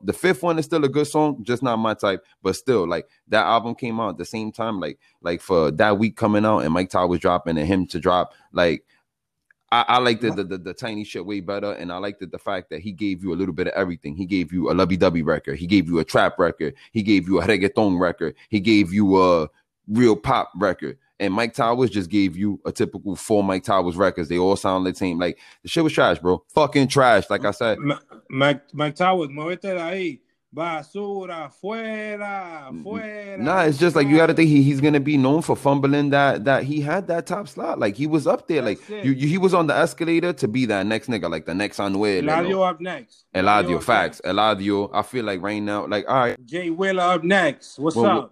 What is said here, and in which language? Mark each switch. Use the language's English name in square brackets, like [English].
[English] The fifth one is still a good song, just not my type. But still, like, that album came out at the same time, like for that week coming out, and Mike Towers dropping and him to drop, like, I liked the Tiny shit way better, and I liked the fact that he gave you a little bit of everything. He gave you a lovey-dovey record. He gave you a trap record. He gave you a reggaeton record. He gave you a real pop record. And Mike Towers just gave you a typical four Mike Towers records. They all sound the same. Like, the shit was trash, bro. Fucking trash, like I said. [Spanish] Mike Towers, muévete de ahí. Basura, fuera, fuera. [English] Nah, it's just like, you gotta think he's gonna be known for fumbling that he had that top slot. Like, he was up there. That's like, you, he was on the escalator to be that next nigga, like the next on where. Eladio up next. Eladio, facts. Eladio, I feel like right now, like, all right. Jay Willa up next. What's up?